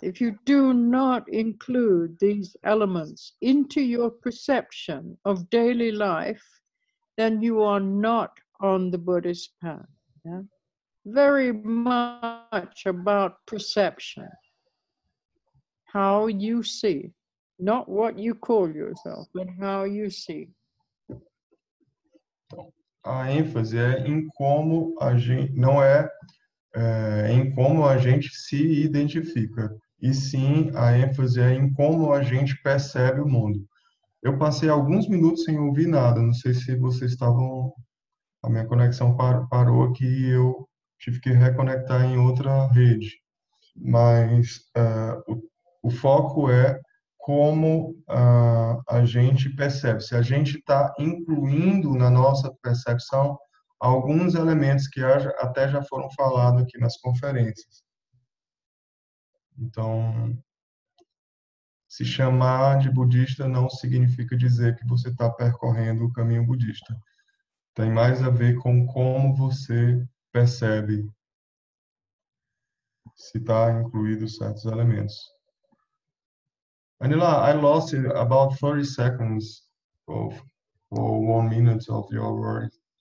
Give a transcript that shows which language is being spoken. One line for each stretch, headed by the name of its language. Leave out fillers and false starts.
English: If you do not include these elements into your perception of daily life, then you are not on the Buddhist path. Yeah? Very much about perception. How you see. Not what you call yourself, but how you see.
Portuguese: A ênfase é em como a gente, não é, em como a gente se identifica. E sim, a ênfase é em como a gente percebe o mundo. Eu passei alguns minutos sem ouvir nada. Não sei se vocês estavam... A minha conexão parou aqui e eu tive que reconectar em outra rede. Mas o foco é como a gente percebe. Se a gente está incluindo na nossa percepção alguns elementos que até já foram falados aqui nas conferências. Então... Se chamar de budista não significa dizer que você está percorrendo o caminho budista. Tem mais a ver com como você percebe se está incluído certos elementos.
English: Anila, I lost about 30 seconds of or 1 minute of your words.